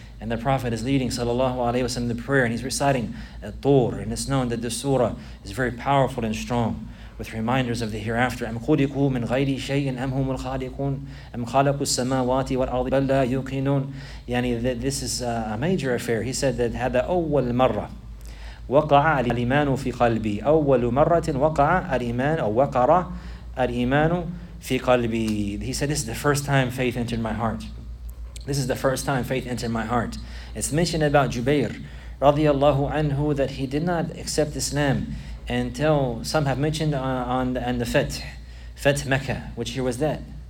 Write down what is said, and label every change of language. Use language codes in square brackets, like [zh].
[en] And the Prophet is leading sallallahu alayhi wa sallam the prayer, and he's reciting At-Tur. And it's known that the surah is very powerful and strong, with reminders of the hereafter. [ar] أَمْ خُلِقُوا مِنْ غَيْرِ شَيْءٍ أَمْ هُمُ الْخَالِقُونَ أَمْ خَلَقُوا السَّمَاوَاتِ وَالْأَرْضِ بَلْ لَا يُوقِنُونَ. [en] يعني this is a major affair. He said that [ar] هَذَا أَوَّلْ مَرَّةً وقع الإيمان في قلبي أول مرة وقع الإيمان أو وقر الإيمان في قلبي. [en] He said, this is the first time faith entered my heart. This is the first time faith entered my heart. It's mentioned about Jubair رضي الله عنه that he did not accept Islam until, some have mentioned on the Fath Mecca, which year was that?